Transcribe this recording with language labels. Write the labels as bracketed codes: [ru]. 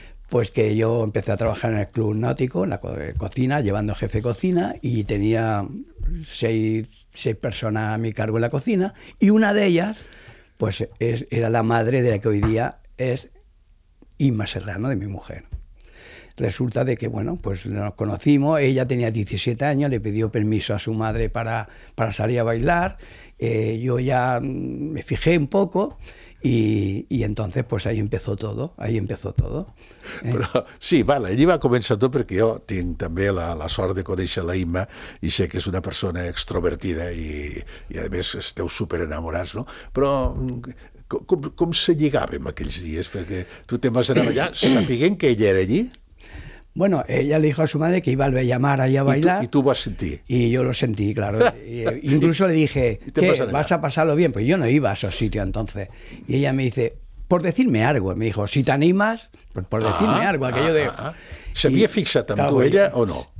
[es] Pues que yo empecé a trabajar en el Club Náutico, en la cocina, llevando jefe de cocina, y tenía seis personas a mi cargo en la cocina, y una de ellas, pues era la madre de la que hoy día es Inma Serrano, de mi mujer. Resulta de que, bueno, pues nos conocimos, ella tenía 17 años, le pidió permiso a su madre para salir a bailar, yo ya me fijé un poco y entonces pues ahí empezó todo. [ca] Però, sí, vale, allí va començar tot perquè jo tinc també la sort de conèixer la Imma i sé que és una persona extrovertida i a més esteu super enamorats, no? Però... Com se lligava en aquells dies? Perquè tu te'n vas anar allà, sapiguent que ella era allí? [es] Bueno, ella le dijo a su madre que iba al Bellamar ahí a bailar. ¿Y tú vas a sentir? Y yo lo sentí, claro. Incluso le dije, ¿qué? ¿Vas a pasarlo bien? Pues yo no iba a esos sitios entonces. Y ella me dice, por decirme algo. Me dijo, si te animas, por decirme algo. Aquello de... ¿Se había fixat en tu ella o no?